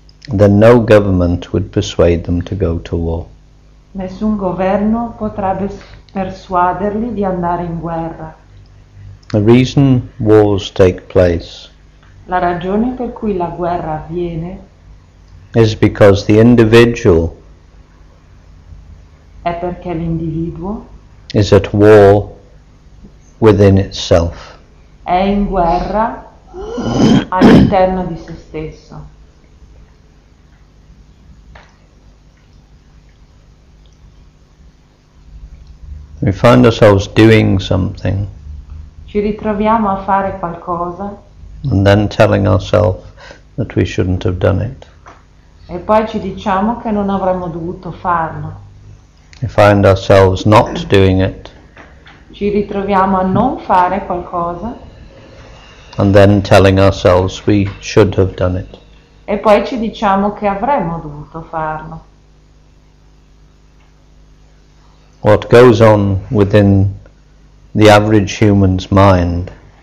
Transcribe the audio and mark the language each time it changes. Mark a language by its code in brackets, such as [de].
[en] then no government would persuade them to go to war. [it] Nessun governo potrebbe persuaderli di andare in guerra. [en] The reason wars take place, [it] la ragione per cui la guerra avviene, [en] is because the individual [it] è perché l'individuo [en] is at war within itself. [it] È in guerra all'interno di se stesso. [en] We find ourselves doing something. [it] Ci ritroviamo a fare qualcosa. [en] And then telling ourselves that we shouldn't have done it. [it] E poi ci diciamo che non avremmo dovuto farlo. [en] We find ourselves not doing it. [it] Ci ritroviamo a non fare qualcosa. [en] And then telling ourselves we should have done it. [it] E poi ci diciamo che avremmo dovuto farlo. [en] What goes on within the average human's mind?